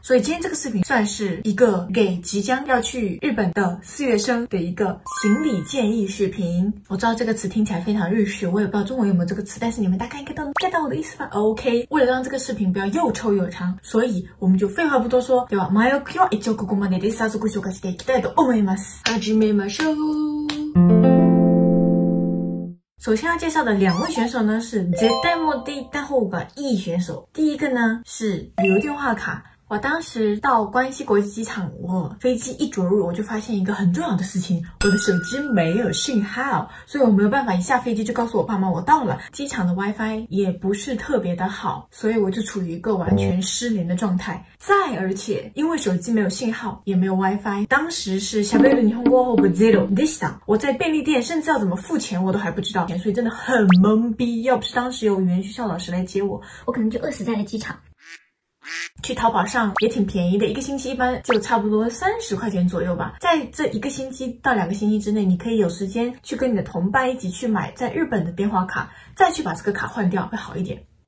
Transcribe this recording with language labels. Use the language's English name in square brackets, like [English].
[Chinese] 所以今天这个视频算是一个给即将要去日本的四月生的一个行李建议视频。我知道这个词听起来非常日式，我也不知道中文有没有这个词，但是你们大概应该都能 get 到我的意思吧 ？OK， 为了让这个视频不要又臭又长，所以我们就废话不多说。 [Japanese] では前置きは一応ここまでです。早速ご紹介していきたいと思います。始めましょう。 [Chinese] 首先要介绍的两位选手呢是 [Japanese] 絶対持っていった方がいい [Chinese] 选手。第一个呢是旅游电话卡。我当时到关西国际机场，我飞机一着陆我就发现一个很重要的事情，我的手机没有信号，所以我没有办法一下飞机就告诉我爸妈我到了。机场的 WiFi 也不是特别的好，所以我就处于一个完全失联的状态。再而且因为手机没有信号也没有 WiFi， 当时是 [Japanese] 喋る日本語はゼロでした。 [Chinese] 我在便利店甚至要怎么付钱我都还不知道，所以真的很懵逼。要不是当时有语言学校老师来接我，我可能就饿死在了机场。去淘宝上也挺便宜的，一个星期一般就差不多30块钱左右吧。在这一个星期到两个星期之内，你可以有时间去跟你的同伴一起去买在日本的电话卡，再去把这个卡换掉会好一点。